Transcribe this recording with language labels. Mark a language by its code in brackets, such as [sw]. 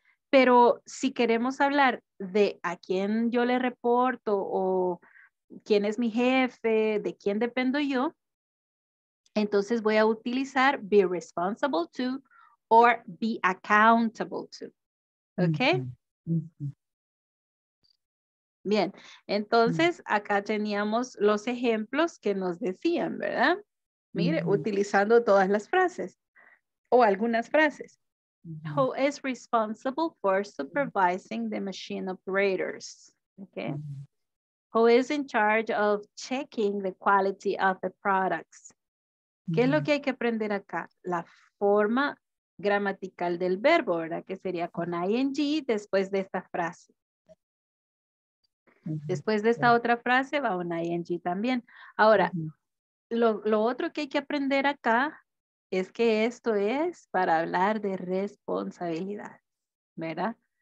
[es] Pero si queremos hablar de a quién yo le reporto o quién es mi jefe, de quién dependo yo, entonces voy a utilizar [en] be responsible to or be accountable to. [es] ¿Ok? Bien, entonces acá teníamos los ejemplos que nos decían, ¿verdad? Mire, utilizando todas las frases o algunas frases. [en] Who is responsible for supervising the machine operators? Okay. Who is in charge of checking the quality of the products? [es] ¿Qué es lo que hay que aprender acá? La forma gramatical del verbo, ¿verdad? Que sería con ing después de esta frase. Después de esta otra frase va una ing también. Ahora, lo otro que hay que aprender acá es que esto es para hablar de responsabilidad, ¿verdad?